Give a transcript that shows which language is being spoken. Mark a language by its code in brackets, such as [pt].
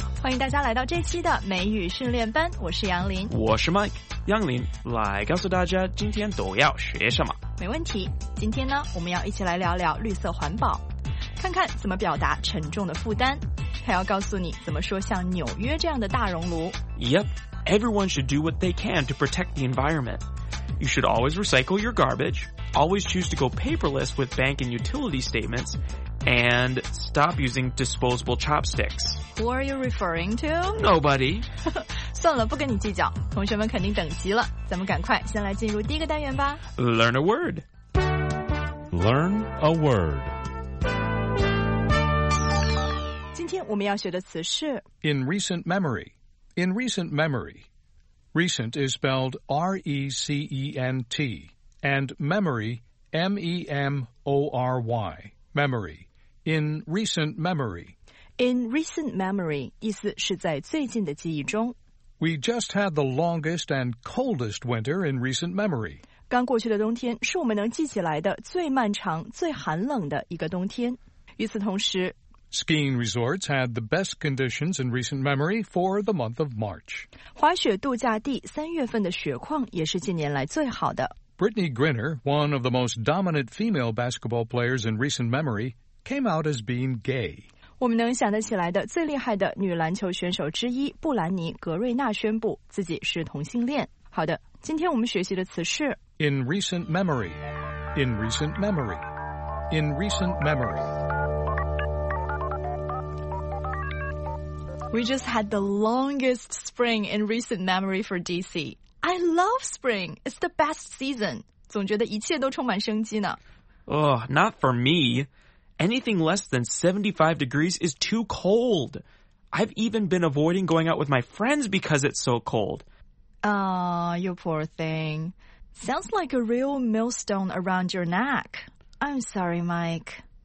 [zh] 迎大家来到这期的美语训练班，我是杨林，我是 Mike。杨林，来告诉大家今天都要学什么。没问题，今天呢我们要一起来聊聊绿色环保，看看怎么表达沉重的负担，还要告诉你怎么说像纽约这样的大熔炉。 [en] Yep, everyone should do what they can to protect the environment. You should always recycle your garbage, always choose to go paperless with bank and utility statements, and stop using disposable chopsticks. Who are you referring to? Nobody. [zh] 算了，不跟你计较，同学们肯定等急了，咱们赶快先来进入第一个单元吧。 [en] Learn a word. Learn a word. [zh] 我们要学的词是 [en] In recent memory. In recent memory. Recent is spelled R-E-C-E-N-T. And memory, M-E-M-O-R-Y. Memory. In recent memory. In recent memory, [zh] 意思是在最近的记忆中。 [en] We just had the longest and coldest winter in recent memory. [zh] 刚过去的冬天是我们能记起来的最漫长、最寒冷的一个冬天。与此同时， [en] Skiing resorts had the best conditions in recent memory for the month of March. [zh] 滑雪度假地三月份的雪况也是近年来最好的。 [en] Brittany Griner, one of the most dominant female basketball players in recent memory, came out as being gay. [zh] 我们能想得起来的最厉害的女篮球选手之一布兰妮·格瑞纳宣布自己是同性恋。好的，今天我们学习的词是 [en] In recent memory. In recent memory. In recent memory. We just had the longest spring in recent memory for DC. I love spring. It's the best season. [zh] 总觉得一切都充满生机呢。 [en] Ugh, not for me. Anything less than 75 degrees is too cold. I've even been avoiding going out with my friends because it's so cold. Aw, you poor thing. Sounds like a real millstone around your neck. I'm sorry, Mike.